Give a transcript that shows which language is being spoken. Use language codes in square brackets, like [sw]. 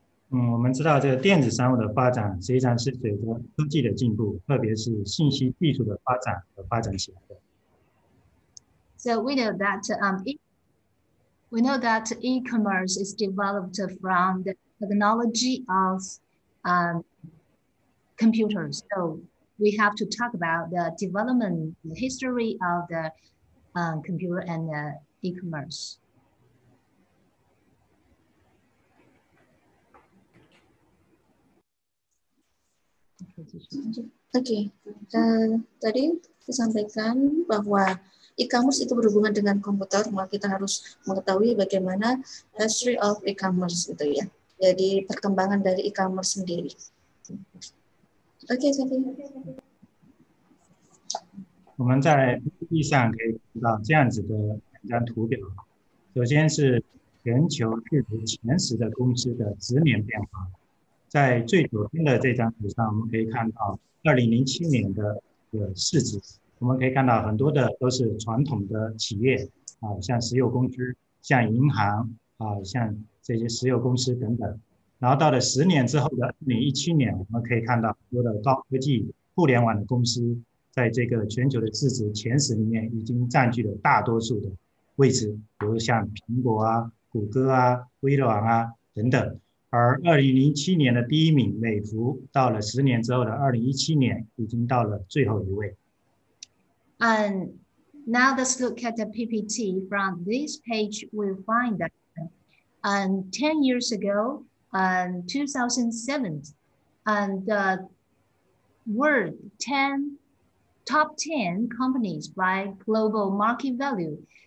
[zh] 我们知道这个电子商务的发展实际上是随着科技的进步，特别是信息技术的发展而发展起来的。 [en] So we know that we know that e-commerce is developed from the technology of computers. So we have to talk about the development, the history of the computer and the e-commerce. [id] Oke, tadi disampaikan bahwa e-commerce itu berhubungan dengan komputer, maka kita harus mengetahui bagaimana [en] history of e-commerce [id] itu ya. Jadi perkembangan dari e-commerce sendiri. Oke, jadi. [zh] 我们在 PPT 上可以看到这样子的两张图表，首先是全球市值前十的公司的殖民变化。在最左边的这张图上，我们可以看到2007年的市值，我们可以看到很多的都是传统的企业，像石油公司，像银行，像这些石油公司等等。然后到了十年之后的2017年，我们可以看到很多的高科技、互联网的公司，在这个全球的市值前十里面已经占据了大多数的位置，比如像苹果啊、谷歌啊、微软啊等等。而2007年的第一名美孚到了十年之后的2017年已经到了最后一位。 [en] And now let's look at the PPT. From this page, we find that 10 years ago, 2007, and the world 10, top 10 companies by global market value.